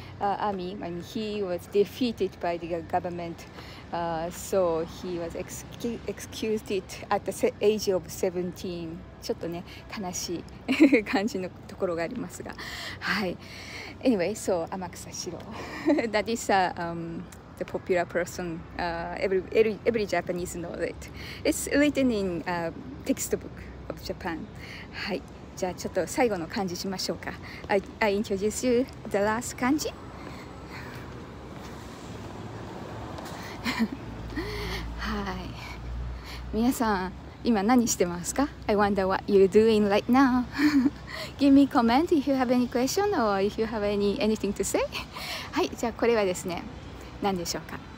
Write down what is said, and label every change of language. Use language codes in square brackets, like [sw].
[en] Army, and he was defeated by the government, so he was executed at the age of 17. [ja] ちょっとね、悲しい感じのところがありますが、はい。 [en] Anyway, so Amakusa Shiro. That is a, the popular person. Every Japanese knows it. It's written in a textbook of Japan. はい。 [ja] じゃあちょっと最後の漢字しましょうか。 [en] I introduce you the last 漢字。 [ja] はい、皆さん今何してますか? [en] I wonder what you're doing right now. Give me comment if you have any question or if you have anything to say. [ja] はい、じゃあこれはですね、何でしょうか?